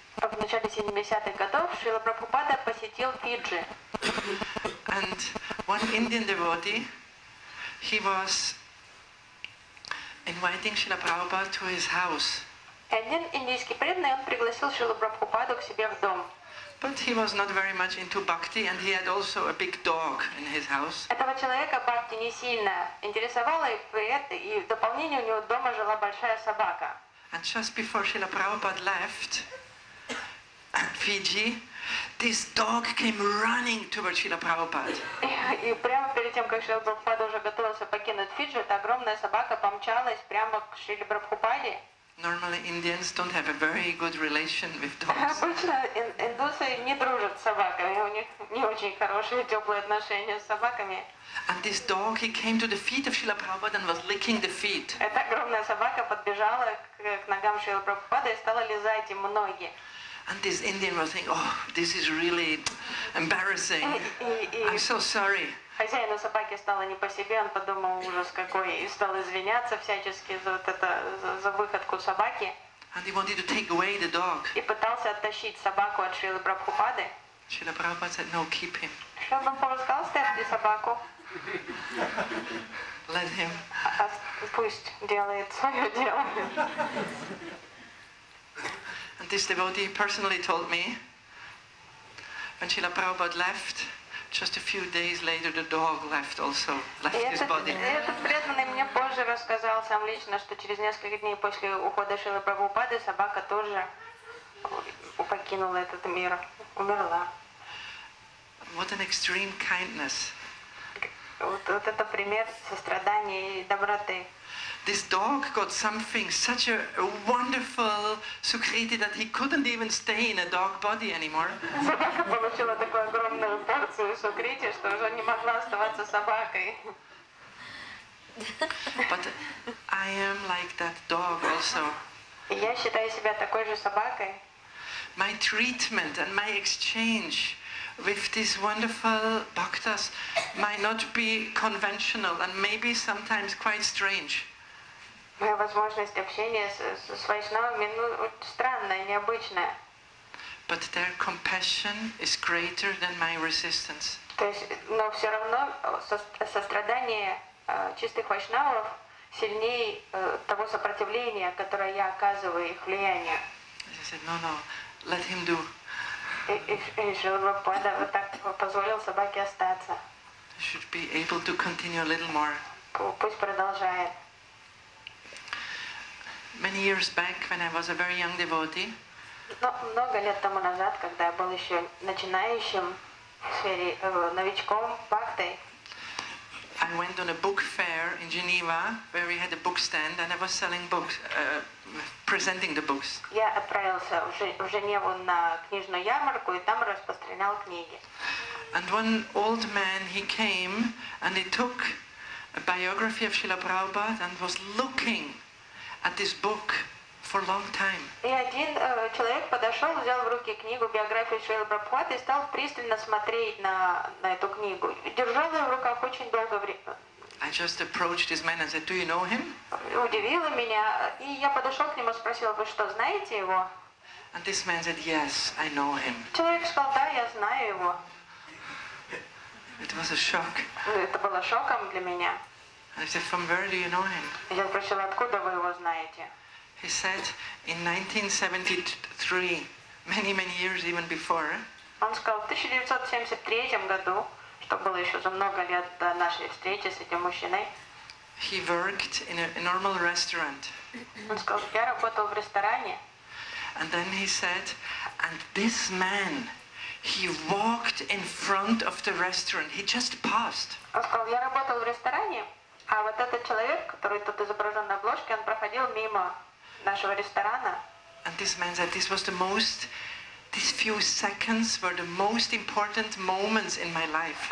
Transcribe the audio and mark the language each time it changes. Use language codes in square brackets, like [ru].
[ru] В начале 70-х годов Шрила Прабхупада посетил Фиджи. [en] And one Indian devotee, he was inviting Srila Prabhupada to his house. [ru] Один индийский преданный, он пригласил Шрилу Прабхупаду к себе в дом. [en] But he was not very much into bhakti, and he had also a big dog in his house. [ru] Этого человека бхакти не сильно интересовало, и в дополнение у него дома жила большая собака. [en] And just before Srila Prabhupada left Fiji, this dog came running towards Srila Prabhupada. [ru] И прямо перед тем, как Шрила Прабхупада уже готовился покинуть Фиджи, эта огромная собака помчалась прямо к Шриле Прабхупаде. [en] Normally Indians don't have a very good relation with dogs. [ru] Обычно индусы не дружат с собаками, у них не очень хорошие теплые отношения с собаками. [en] And this dog, he came to the feet of Srila Prabhupada and was licking the feet. [ru] Эта огромная собака подбежала к ногам Шрилы Прабхупады и стала лизать ему ноги. [en] And this Indian was thinking, oh, this is really embarrassing. I'm so sorry. [ru] Хозяину собаки стало не по себе, он подумал, ужас какой, и стал извиняться всячески за вот это, за выходку собаки. [en] And he wanted to take away the dog. [ru] И пытался оттащить собаку от Шрилы Прабхупады. [en] Шрила Прабхупада said, no, keep him. [ru] Шрила Прабхупада сказал, стерпи собаку. [en] Let him. [ru] Пусть делает свое дело. [en] And this devotee personally told me, when Srila Prabhupada left, just a few days later, the dog left also, left his body. [ru] Этот преданный мне позже рассказал сам лично, что через несколько дней после ухода Шрилы Прабхупады собака тоже покинула этот мир, умерла. [en] What an extreme kindness! [ru] Вот это пример сострадания и доброты. [en] This dog got something such a wonderful sukriti that he couldn't even stay in a dog body anymore. [ru] Собака получила такую огромную порцию сукрити, что уже не могла оставаться собакой. [en] But I am like that dog also. [ru] Я считаю себя такой же собакой. [en] My treatment and my exchange with these wonderful bhaktas might not be conventional and maybe sometimes quite strange. [ru] Моя возможность общения с вайшнавами, ну, странная, необычная. [en] But their compassion is greater than my resistance. [ru] То есть, но все равно сострадание чистых вайшнавов сильнее того сопротивления, которое я оказываю их влиянию. [en] I said, no, no, let him do. [ru] И Шрила Прабхупада вот так позволил собаке остаться. [en] He should be able to continue a little more. [ru] Пусть продолжает. [en] Many years back, when I was a very young devotee. [ru] Много лет тому назад, когда я был еще начинающим новичком бхакти. [en] I went on a book fair in Geneva, where we had a book stand, and I was selling books, presenting the books. [ru] Я отправился в Женеву на книжную ярмарку и там распространял книги. [en] And one old man, he came and he took a biography of Srila Prabhupada and was looking at this book for a long time. [ru] И один человек подошел, взял в руки книгу биографии Шрилы Прабхупады и стал пристально смотреть на эту книгу. Держал ее в руках очень долгое время. [en] I just approached this man and said, "Do you know him?" [ru] Удивило меня, и я подошел к нему и спросил: "Вы что, знаете его?" [en] And this man said, "Yes, I know him." [ru] Человек сказал: "Да, я знаю его." [en] It was a shock. [ru] Это было шоком для меня. [en] I said, "From where do you know him?" [ru] Я спросила, откуда вы его знаете? [en] He said, "In 1973, many, many years even before." [ru] Он сказал, в 1973 году, что было еще за много лет до нашей встречи с этим мужчиной. [en] He worked in a normal restaurant. [ru] Он сказал, я работал в ресторане. [en] And then he said, "And this man, he walked in front of the restaurant. He just passed." [ru] Он сказал, я работал в ресторане. А вот этот человек, который тут изображен на обложке, он проходил мимо нашего ресторана. [en] And this man said, "This was the most, these few seconds were the most important moments in my life."